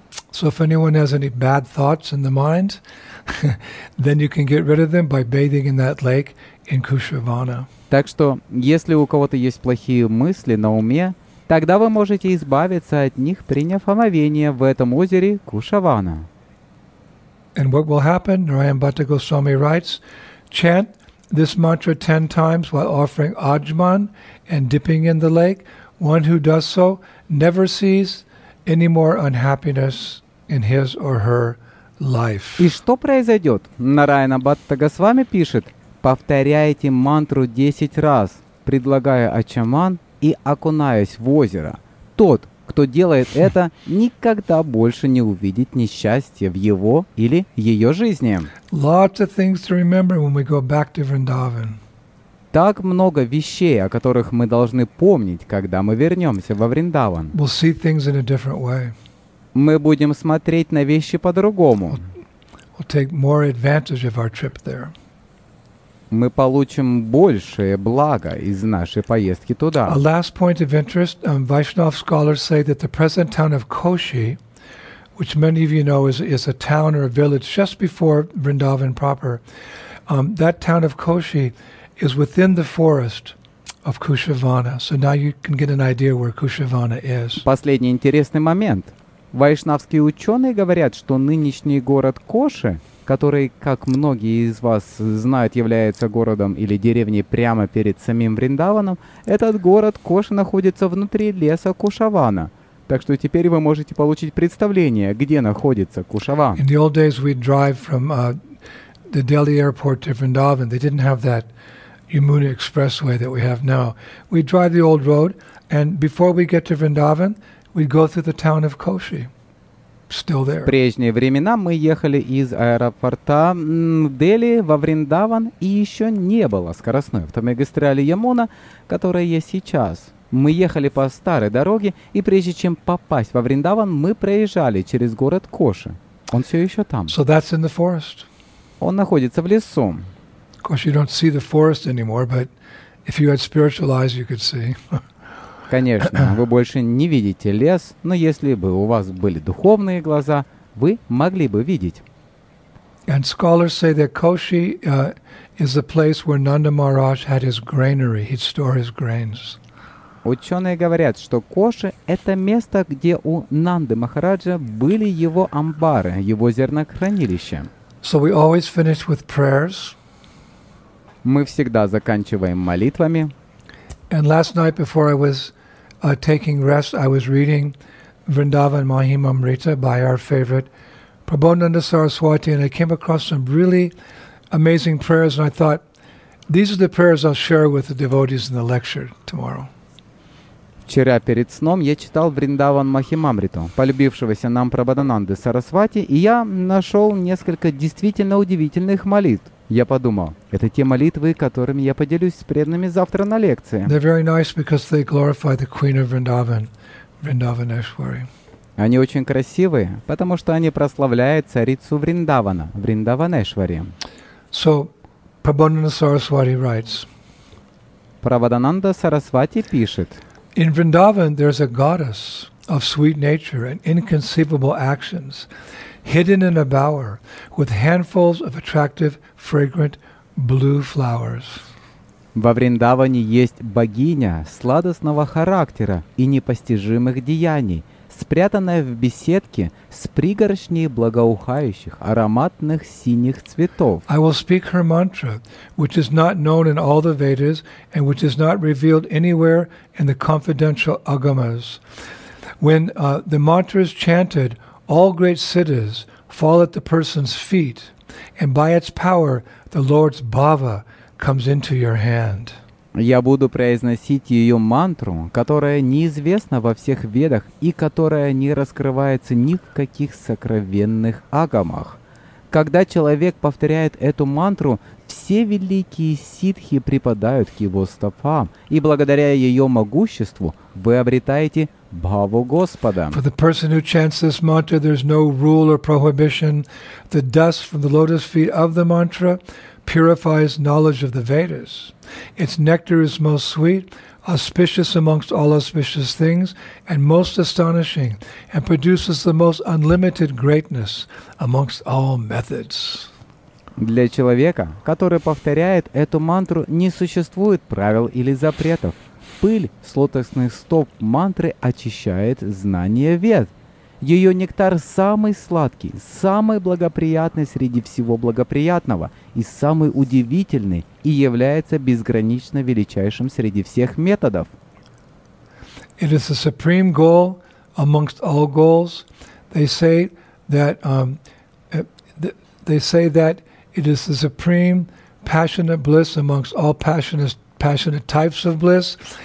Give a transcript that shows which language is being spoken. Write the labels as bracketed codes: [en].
[en] So if anyone has any bad thoughts in the mind, then you can get rid of them by bathing in that lake in Kushavana. [ru] Так что, если у кого-то есть плохие мысли на уме, тогда вы можете избавиться от них, приняв омовение в этом озере Кушавана. [en] And what will happen? Narayambhata Goswami writes, chant this mantra 10 times while offering ajman and dipping in the lake. One who does so never sees any more unhappiness in his or her life. [ru] И что произойдет? Нараяна Бхатта Госвами пишет, повторяйте мантру 10 раз, предлагая ачаман и окунаясь в озеро. Тот, кто делает это, никогда больше не увидит несчастья в его или ее жизни. [en] Lots of things to remember when we go back to Vrindavan. [ru] Так много вещей, о которых мы должны помнить, когда мы вернемся во Вриндаван. [en] We'll see things in a different way. [ru] Мы будем смотреть на вещи по-другому. [en] We'll take more advantage of our trip there. [ru] Мы получим большее благо из нашей поездки туда. [en] A last point of interest. Vaishnav scholars say that the present town of Koshi, which many of you know is a town or a village just before Vrindavan proper, that town of Koshi is within the forest of Kushavana. So now you can get an idea where Kushavana is. [ru] Последний интересный момент. Вайшнавские ученые говорят, что нынешний город Коши, который, как многие из вас знают, является городом или деревней прямо перед самим Вриндаваном, этот город Коши находится внутри леса Кушавана. Так что теперь вы можете получить представление, где находится Кушаван. [en] In the old days we'd drive from the Delhi airport to Vrindavan. They didn't have that Yamuna Expressway that we have now. We drive the old road, and before we get to Vrindavan, we go through the town of Koshi. Still there. [ru] В прежние времена мы ехали из аэропорта Дели во Вриндаван, и еще не было скоростной автомагистрали Ямуна, которая есть сейчас. Мы ехали по старой дороге, и прежде чем попасть во Вриндаван, мы проезжали через город Коши. Он все еще там. [en] So that's in the forest. [ru] Он находится в лесу. [en] Of course, you don't see the forest anymore, but if you had spiritual eyes, you could see. [ru] Конечно, вы больше не видите лес, но если бы у вас были духовные глаза, вы могли бы видеть. [en] And scholars say that Koshi is the place where Nanda Maharaj had his granary. He'd store his grains. [ru] Ученые говорят, что Коши – это место, где у Нанды Махараджа были его амбары, его зернохранилище. [en] So we always finish with prayers. [ru] Мы всегда заканчиваем молитвами. [en] And last night before I was taking rest, I was reading Vrindavan Mahimamrita by our favorite Prabodhananda Saraswati, and I came across some really amazing prayers, and I thought, these are the prayers I'll share with the devotees in the lecture tomorrow. [ru] Вчера перед сном я читал Вриндаван Махимамриту, полюбившегося нам Прабхадананды Сарасвати, и я нашел несколько действительно удивительных молитв. Я подумал, это те молитвы, которыми я поделюсь с преданными завтра на лекции. [en] They're very nice because they glorify the queen of Vrindavan, Vrindavaneshwari. [ru] Они очень красивые, потому что они прославляют царицу Вриндавана, Вриндаванешвари. [en] So, Prabodhananda Saraswati writes. [ru] Прабхадананда Сарасвати пишет. [en] In Vrindavan there is a goddess of sweet nature and inconceivable actions, hidden in a bower with handfuls of attractive, fragrant blue flowers. [ru] Во Вриндаване есть богиня сладостного характера и непостижимых деяний, спрятанная в беседке с пригоршней благоухающих ароматных синих цветов. [en] I will speak her mantra, which is not known in all the Vedas and which is not revealed anywhere in the confidential agamas. When the mantra is chanted, all great siddhas fall at the person's feet, and by its power the Lord's bhava comes into your hand. [ru] Я буду произносить ее мантру, которая неизвестна во всех ведах и которая не раскрывается ни в каких сокровенных агамах. Когда человек повторяет эту мантру, все великие ситхи припадают к его стопам, и благодаря ее могуществу вы обретаете бхаву Господа. [en] For the person who chants this mantra, there's no rule or prohibition. The dust from the lotus feet of the mantra purifies knowledge of the Vedas. Its nectar is most sweet, auspicious amongst all auspicious things, and most astonishing, and produces the most unlimited greatness amongst all methods. [ru] Для человека, который повторяет эту мантру, не существует правил или запретов. Пыль с лотосных стоп мантры очищает знания Вед. Ее нектар самый сладкий, самый благоприятный среди всего благоприятного и самый удивительный и является безгранично величайшим среди всех методов. [en] It is the supreme goal amongst all goals. They say that it is the supreme passionate bliss amongst all passionate types of bliss.